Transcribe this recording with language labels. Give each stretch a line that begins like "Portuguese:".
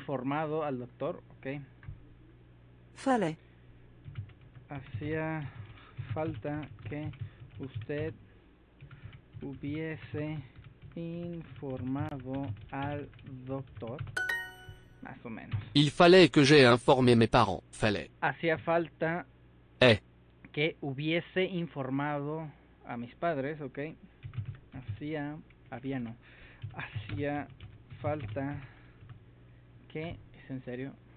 Spanish: Informado al doctor. Ok.
French: Fallait.
Spanish: Hacía falta que usted hubiese informado al doctor, más o menos.
French: Il fallait que j'aie informé mes parents. Fallait.
Spanish: Hacía falta eh. Que hubiese informado a mis padres, ¿ok? Hacía, había no. Hacía falta que, ¿es en serio?